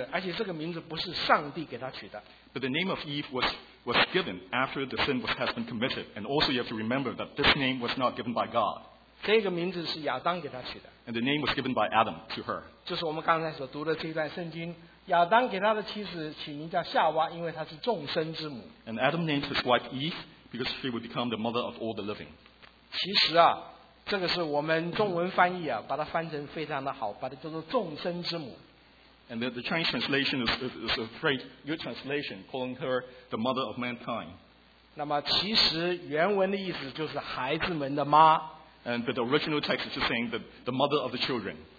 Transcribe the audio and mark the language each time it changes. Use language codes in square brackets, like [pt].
[zh] 但是夏娃的名字是在人类犯罪了以后才取的名字，而且这个名字不是上帝给他取的。 [en] But the name of Eve was given after the sin has been committed, and also you have to remember that this name was not given by God. [zh] 这个名字是亚当给他取的。 [en] And the name was given by Adam to her. [zh] 就是我们刚才所读的这段圣经，亚当给他的妻子起名叫夏娃，因为她是众生之母。 [en] And Adam named his wife Eve because she would become the mother of all the living. [zh] 其实啊。这个是我们中文翻译啊，把它翻成非常的好，把它叫做众生之母。 [en] And the Chinese translation is a very good translation, calling her the mother of mankind. [zh] 那么其实原文的意思就是孩子们的妈。 [en] And the original text is just saying the mother of the children.